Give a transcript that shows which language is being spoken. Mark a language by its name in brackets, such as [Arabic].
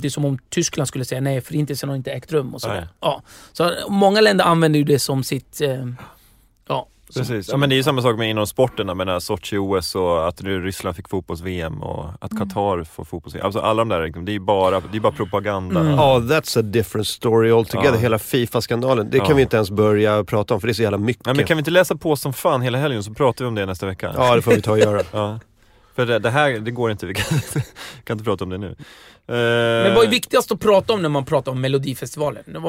[Swedish] Det är som om Tyskland skulle säga nej, förintelsen har inte ägt rum och sådär. Ja. Så många länder använder ju det som sitt... Precis. Ja, men det är ju samma sak med inom sporterna, med Sochi OS och att nu Ryssland fick fotbolls-VM och att Qatar får fotbolls-VM. Alltså alla de där, det är bara propaganda. [English] Ja, that's a different story altogether. Ja. [Swedish] Hela FIFA-skandalen, det kan vi inte ens börja prata om, för det är så jävla mycket. Ja, men kan vi inte läsa på som fan hela helgen så pratar vi om det nästa vecka? Ja, det får vi ta och göra. Ja. För det här, det går inte. Vi kan inte prata om det nu. Men vad är viktigast att prata om när man pratar om Melodifestivalen?